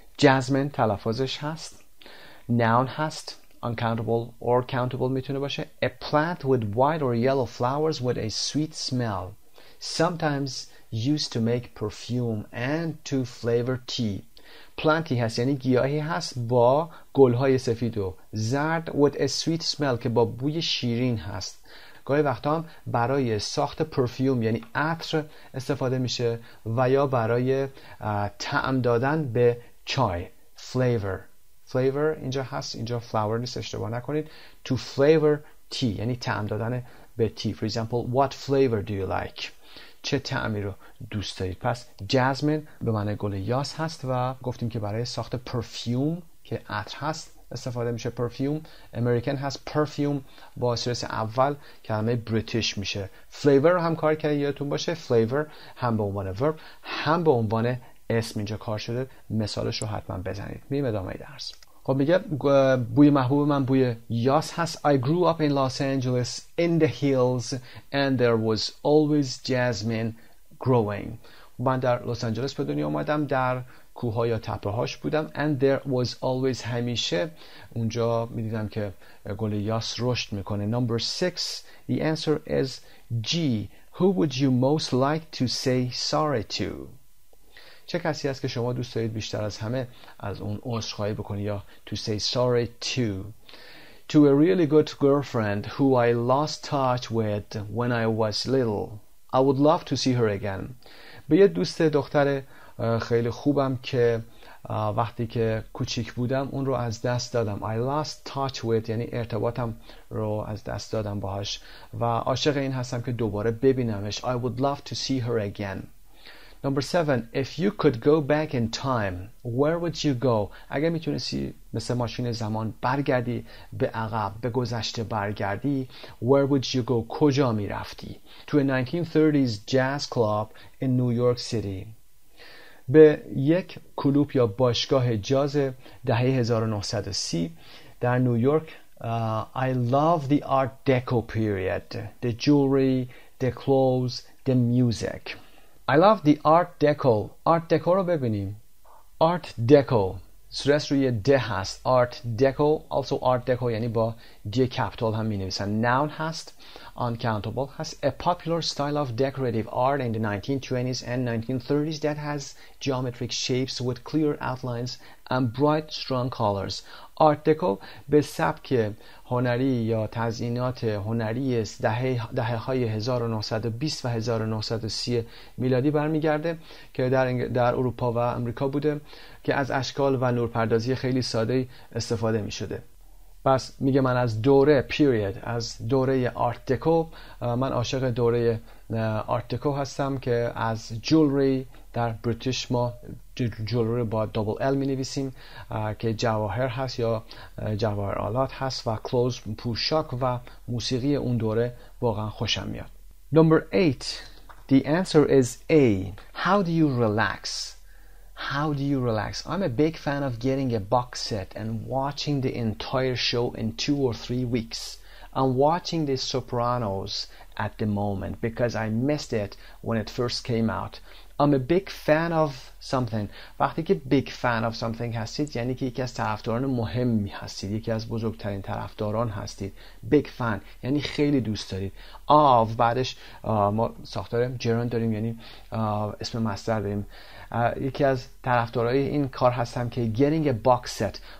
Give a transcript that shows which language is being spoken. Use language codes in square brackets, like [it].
[fa] جزمن تلفظش هست، noun هست، [en] uncountable or countable [fa] میتونه باشه. [en] A plant with white or yellow flowers with a sweet smell, sometimes used to make perfume and to flavor tea. [fa] Plantی هست یعنی گیاهی هست با گلهای سفید و زرد، [en] with a sweet smell [fa] که با بوی شیرین هست، گاهی وقتا هم برای ساخت پرفیوم یعنی عطر استفاده میشه و یا برای طعم دادن به چای. Flavor اینجا هست، اینجا flower نیست، اشتباه نکنید. [en] To flavor tea [fa] یعنی طعم دادن به tea. [en] For example, what flavor do you like؟ [fa] چه طعمی رو دوست دارید؟ پس جزمن به معنی گل یاس هست و گفتیم که برای ساخت پرفیوم که عطر هست استفاده میشه. پرفیوم امریکن هست، پرفیوم با سرس اول کلمه بریتیش میشه. فلیور هم کار کرده یادتون باشه، فلیور هم به عنوان ورب هم به عنوان اسم اینجا کار شده. مثالش رو حتما بزنید. میریم ادامه درس. خب میگه بوی محبوب من بوی یاس هست. [en] I grew up in Los Angeles in the hills and there was always jasmine growing. [fa] من در لس آنجلس به دنیا اومدم، در کوها یا تپه‌هاش بودم. [en] And there was always [fa] همیشه اونجا می‌دیدم که گل یاس رشد می‌کنه. [en] Number 6. The answer is G. Who would you most like to say sorry to? [fa] چه کسی هست که شما دوست دارید بیشتر از همه از اون عذرخواهی بکنی یا [en] to say sorry to? To a really good girlfriend who I lost touch with when I was little. I would love to see her again. [fa] به یه دوست دختر خیلی خوبم که وقتی که کوچیک بودم اون رو از دست دادم. [en] I lost touch with [fa] یعنی ارتباطم رو از دست دادم باهاش و عاشق این هستم که دوباره ببینمش. [en] I would love to see her again. Number 7. If you could go back in time, where would you go? [fa] اگه میتونستی مثل ماشین زمان برگردی به عقب، به گذشته برگردی، [en] where would you go؟ [fa] کجا میرفتی؟ [en] To a 1930s jazz club in New York City. [fa] به یک کلوب یا باشگاه جاز دهه 1930 در نیویورک. [en] I love the art deco period. The jewelry, the clothes, the music. I love the art deco. [fa] Art deco رو ببینیم. Art deco. سرس روی ده هست. Art deco. Also art deco یعنی با دی کپیتال هم می نویسن. Noun هست. Uncountable هست. [en] A popular style of decorative art in the 1920s and 1930s that has geometric shapes with clear outlines and bright strong colors. [fa] Art deco به سبک هنری یا تزیینات هنری دهه‌های 1920 و 1930 میلادی برمیگرده که در اروپا و امریکا بوده که از اشکال و نورپردازی خیلی ساده استفاده می شده. پس میگه من از دوره period از دوره آرت دکو من عاشق دوره آرت دکو هستم که از جولری در بریتیش ما جولری با دابل ال می نویسیم که جواهر هست یا جواهر آلات هست و کلوز پوشاک و موسیقی اون دوره واقعا خوشم میاد. [en] Number 8, the answer is A. How do you relax? How do you relax? I'm a big fan of getting a box set and watching the entire show in 2 or 3 weeks. I'm watching The Sopranos at the moment because I missed it when it first came out. I'm a big fan of something. [fa] وقتی که [en] big fan of something [fa] هستید یعنی که یکی از طرفداران مهمی هستید، یکی از بزرگترین طرفداران هستید. Big fan یعنی خیلی دوست دارید. Of بعدش ما ساختار gerund داریم یعنی اسم مصدر داریم. یکی از طرفدارای این کار هستم که [en] getting a box set.